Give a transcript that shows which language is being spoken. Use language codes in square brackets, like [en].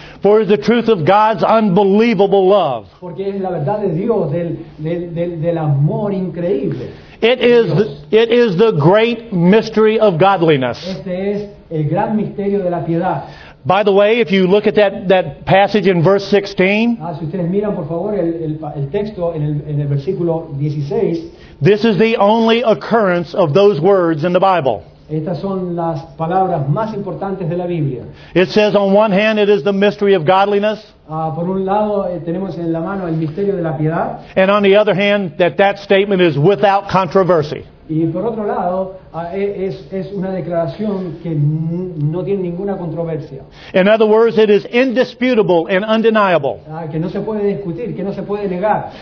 [en] For it is the truth of God's unbelievable love. [es] Porque es la verdad de Dios, del amor increíble. [en] It is the great mystery of godliness. [es] Este es el gran misterio de la piedad. [en] By the way, if you look at that passage in verse 16, [es] si ustedes miran, por favor, el texto en el versículo 16, [en] this is the only occurrence of those words in the Bible. [es] Estas son las palabras más importantes de la Biblia. [en] It says, on one hand, it is the mystery of godliness. [es] Por un lado, tenemos en la mano el misterio de la piedad. [en] And on the other hand, that statement is without controversy. [es] Y por otro lado, es una declaración que no tiene ninguna controversia. [en] In other words, it is indisputable and undeniable. [es] Que no se puede discutir, que no se puede negar.